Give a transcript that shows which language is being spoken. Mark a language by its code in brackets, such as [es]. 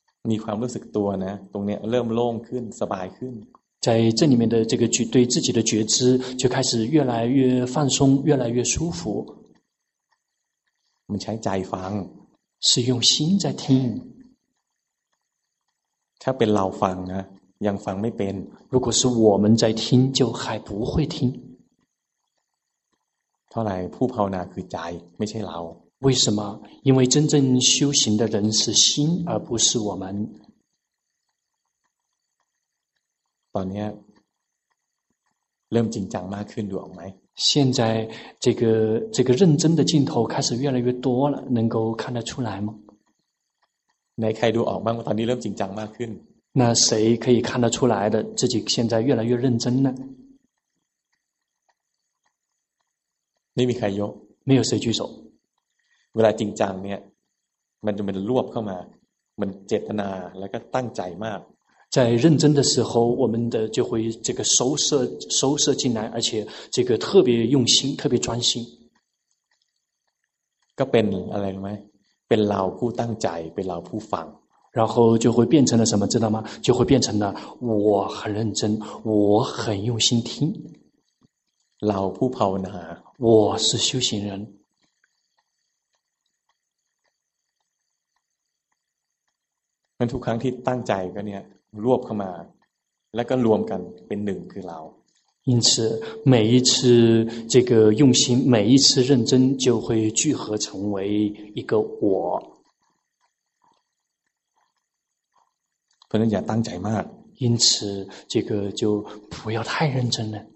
[th] มีความรู้สึกตัวนะตรงนี้เริ่มโล่งขึ้นสบายขึ้น [zh] 在这里面的这个觉对自己的觉知就开始越来越放松越来越舒服 [th] มันใช้ใจฟัง [zh] 是用心在听 [th] ถ้าเป็นเราฟังนะยังฟังไม่เป็น [zh] 如果是我们在听就还不会听 [th] เท่าไหร่ผู้ภาวนาคือใจไม่ใช่เรา [zh] 为什么因为真正修行的人是心而不是我们 [th] ตอนนี้เริ่มจริงจังมากขึ้นดูออกไหม [zh] 现在这个认真的镜头开始越来越多了能够看得出来吗 [th] ในใครดูออกบ้างตอนนี้เริ่มจริงจังมากขึ้น [zh] 那谁可以看得出来的自己现在越来越认真呢 [th] ไม่มีใครยก [zh] 没有谁举手 [th] เวลาจริงจังเนี่ยมันจะมันรวบเข้ามามันเจตนาแล้วก็ตั้งใจมาก [zh] 在认真的时候我们的就会这个收摄进来而且这个特别用心特别专心 [th] ก็เป็นอะไรรู้ไหมเป็นเราผู้ตั้งใจเป็นเราผู้ฟัง [zh] 然后就会变成了什么知道吗就会变成了我很认真我很用心听 [th] เราผู้ภาวนา [zh] 我是修行人 [th] มันทุกครั้งที่ตั้งใจก็เนี่ยรวบเข้ามาแล้วก็รวมกันเป็นหนึ่งคือเรา [zh] 因此每一次这个用心每一次认真就会聚合成为一个我 [th] เพราะฉะนั้นอย่าตั้งใจมาก [zh] 因此这个就不要太认真